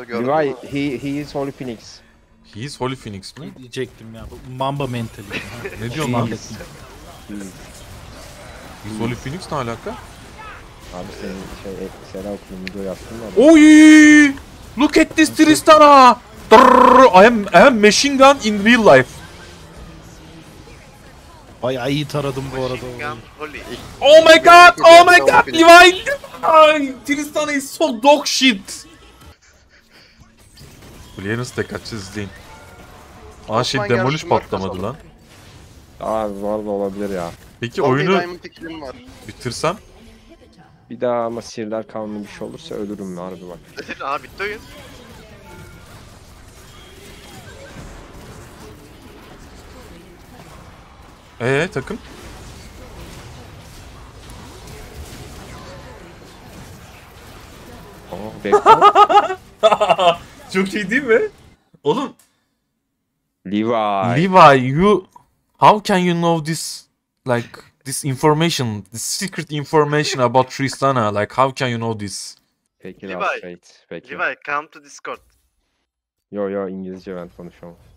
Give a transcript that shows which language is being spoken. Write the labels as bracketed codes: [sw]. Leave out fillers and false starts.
[en] Levi, he is Holy Phoenix. He is Holy Phoenix mi? [tr] Ne diyecektim ya bu Mamba mentali. Ne diyor lan? [en] He is Holy Phoenix [tr] ne alaka? Abi senin şey Serhat okulun video yaptın mı? [en] Oy! Look at this Tristana! Drrrr! I am machine gun in real life. [tr] Bayağı iyi taradım bu arada. [en] Oh my god! Oh my god! Levi! Ay, Tristana is so dog shit! [tr] Buraya nasıl tek açacağız izleyin. Aa şey demolish patlamadı lan. Aa var da olabilir ya. Peki oyunu bitirsem? Bir daha ama sihirler kanunu bir şey olursa ölürüm ya harbi bak. Aa bitti oyun. Takım? Çok iyi değil mi? Oğlum. Levi. [en] Levi, you... How can you know this? Like, this information, this secret information about Tristana. Like, how can you know this? [tr] Peki, Levi, [en] last fate. [tr] Peki. [en] Levi, come to Discord. [tr] Yo, yo, İngilizce ben konuşamam.